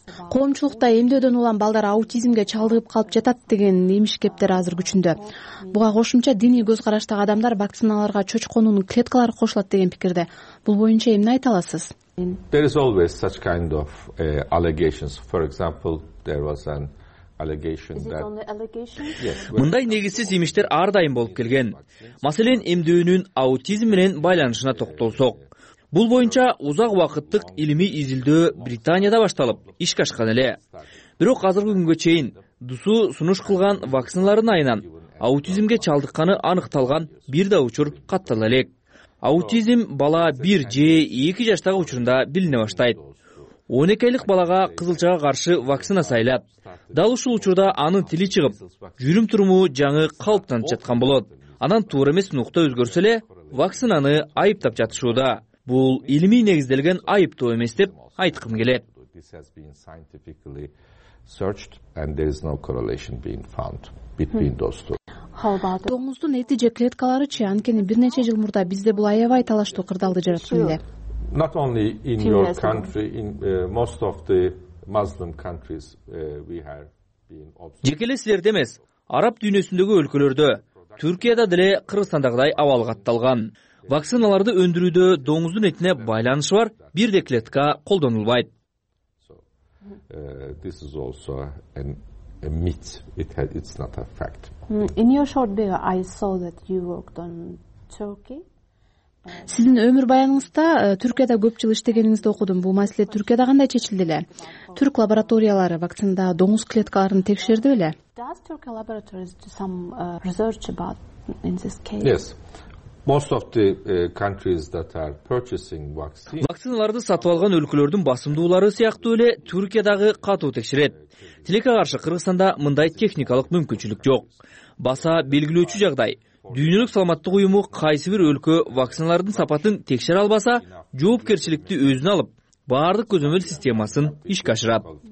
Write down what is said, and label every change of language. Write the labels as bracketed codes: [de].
[ky] Коомчулукта эмдөөдөн улам балдар аутизмге чалдыгып калып жатат деген имиш кептер азыр күчүндө. Буга кошумча диний көз караштагы адамдар вакциналарга чочконун клеткалары кошулат деген пикирде. Бул боюнча эмне айта аласыз? [en] There is always such kind of allegations. For example, there was an allegation that... [ky] Мындай негизсиз имиштер ар дайым болуп келген. Маселен, эмдөөнүн аутизм менен байланышына токтолсок. Бул боюнча узак убакыттык илимий изилдөө Британияда башталып, ишке ашкан эле. Бирок азыркы күнгө чейин ДСУ сунуш кылган вакциналардын айынан аутизмге чалдыкканы аныкталган бир да учур каттала элек. Аутизм бала 1-2 жаштагы учурунда билине баштайт. 12 айлык балага кызылчага каршы вакцина сайылат. Дал ушул учурда анын тили чыгып, жүрүм туруму жаңы калыптанып жаткан болот. Анан туура эмес нукта өзгөрсө эле вакцинаны айыптап жатышууда. Бул илимий негизделген айыптоо эмес деп айткым келет. [en] This has been scientifically searched and there is no correlation being found between those two. [ky] Доңуздун эти же клеткаларычы, анткени бир нече жыл мурда бизде бул аябай талаштуу кырдаалды жаратты эле. [en] Not only in your country, in most of the Muslim countries we have been observed. [ky] Жеке эле силерде эмес, араб дүйнөсүндөгү өлкөлөрдө, Түркияда деле Кыргызстандагыдай абал катталган. Вакциналарды өндүрүүдө доңуздун этине байланышы бар бир да клетка колдонулбайт. [en] This is also a myth. It's not a fact. In your short bio, I saw that you worked on Turkey. [ky] Сиздин өмүр баяныңызда Түркияда көп жыл иштегениңизди окудум. Бул маселе Түркияда кандай чечилди эле? Түрк лабораториялары вакцинада доңуз клеткаларын текшерди беле? [en] Does Turkey laboratories do some research about in this case? Yes. Most of the countries that are purchasing vaccines. [ky] Вакциналарды сатып алган өлкөлөрдүн басымдуулары сыяктуу эле Түркиядагы катуу текшерет. Тилекке каршы Кыргызстанда мындай техникалык мүмкүнчүлүк жок. Баса белгилөөчү жагдай, дүйнөлүк саламаттык уюму кайсы бир өлкө вакциналардын сапатын текшере албаса, жоопкерчиликти өзүнө алып, баардык көзөмөл системасын ишке ашырат.